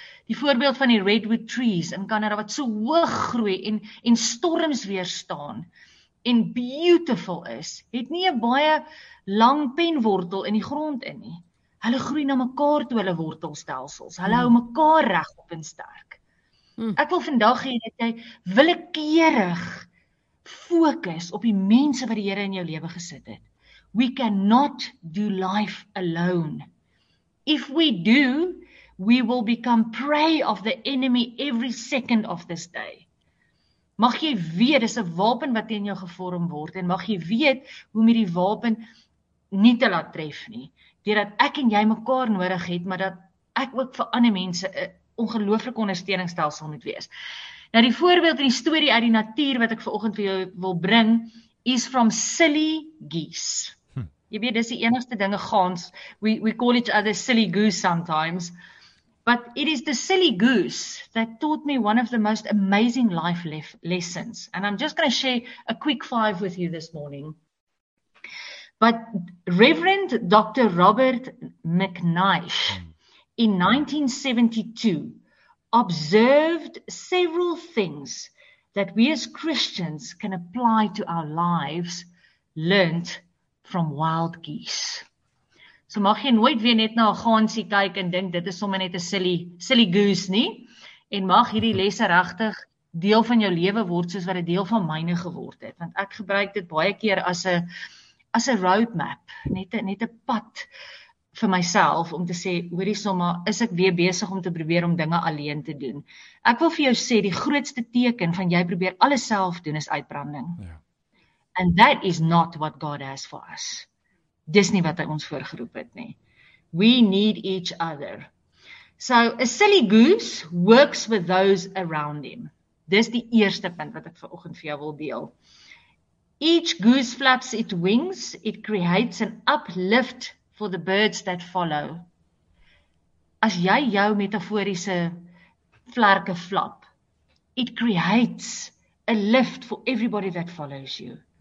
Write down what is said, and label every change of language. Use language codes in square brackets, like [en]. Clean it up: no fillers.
[af] Die voorbeeld van die redwood trees in Kanada wat so hoog groei en storms weerstaan en beautiful is, het nie 'n baie lang penwortel in die grond in nie. Hulle groei na mekaar toe hulle wortelstelsels. Hulle hou mekaar reg op en sterk. Ek wil vandag hê dat jy willekeurig fokus op die mense wat die Here in jou lewe gesit het. [en] We cannot do life alone. If we do, we will become prey of the enemy every second of this day. [af] Mag jy weet, dis 'n wapen wat teen jou gevorm word en mag jy weet hoe om hierdie wapen nie te laat tref nie. Dat ek en jy mekaar nodig het, maar dat ek ook vir ander mense 'n ongelooflike ondersteuningsstelsel moet wees. Nou die voorbeeld in die storie uit die natuur wat ek vanoggend vir jou wil bring, is [en] from silly geese. [af] Jy weet, dis die enigste dinge gaans, [en] we call each other silly goose sometimes, but it is the silly goose that taught me one of the most amazing life lessons, and I'm just going to share a quick 5 with you this morning. But Reverend Dr. Robert McNeish, in 1972, observed several things that we as Christians can apply to our lives, learnt from wild geese. [af] So mag jy nooit weer net na 'n gansie kyk en dink dit is sommer net 'n silly goose nie. En mag hierdie lesse regtig deel van jou lewe word soos wat dit deel van myne geword het. Want ek gebruik dit baie keer as 'n roadmap, net 'n pad vir myself om te sê, hoorie sommer, is ek weer besig om te probeer om dinge alleen te doen. Ek wil vir jou sê, die grootste teken van jy probeer alles self doen is uitbranding. Ja. [en] And that is not what God has for us. [af] Dis nie wat hy ons voorgeroep het nie. [en] We need each other. So, a silly goose works with those around him. [af] Dis die eerste punt wat ek vanoggend vir jou wil deel. [en] Each goose flaps its wings, it creates an uplift for the birds that follow. [af] As jy jou metaforiese vlerke flap, [en] it creates a lift for everybody that follows you.